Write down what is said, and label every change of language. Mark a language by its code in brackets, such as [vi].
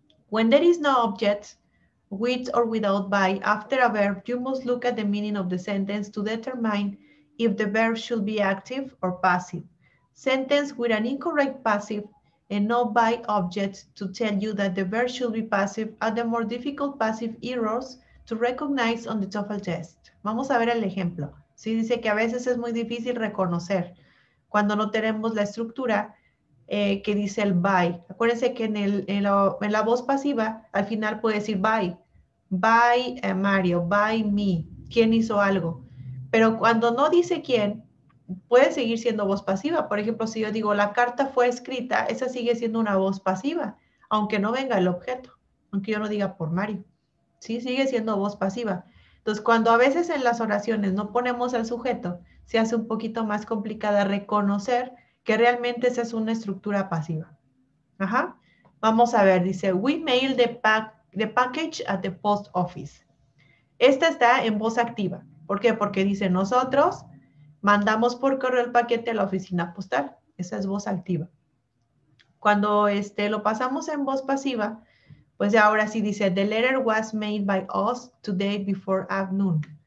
[en] When there is no object, with or without by, after a verb, you must look at the meaning of the sentence to determine if the verb should be active or passive. Sentence with an incorrect passive and no by object to tell you that the verb should be passive are the more difficult passive errors to recognize on the TOEFL test. [es] Vamos a ver el ejemplo. Sí, dice que a veces es muy difícil reconocer cuando no tenemos la estructura que dice el by. Acuérdense que en la voz pasiva al final puede decir by. [en] By Mario, by me, [es] ¿quién hizo algo? Pero cuando no dice quién, puede seguir siendo voz pasiva. Por ejemplo, si yo digo la carta fue escrita, esa sigue siendo una voz pasiva, aunque no venga el objeto, aunque yo no diga por Mario. Sí, sigue siendo voz pasiva. Entonces, cuando a veces en las oraciones no ponemos al sujeto, se hace un poquito más complicada reconocer que realmente esa es una estructura pasiva. Ajá. Vamos a ver, dice, [en] we mail the package at the post office. [es] Esta está en voz activa. ¿Por qué? Porque dice, nosotros mandamos por correo el paquete a la oficina postal. Esa es voz activa. Cuando lo pasamos en voz pasiva, pues ahora sí dice, [en] the letter was made by us today before afternoon.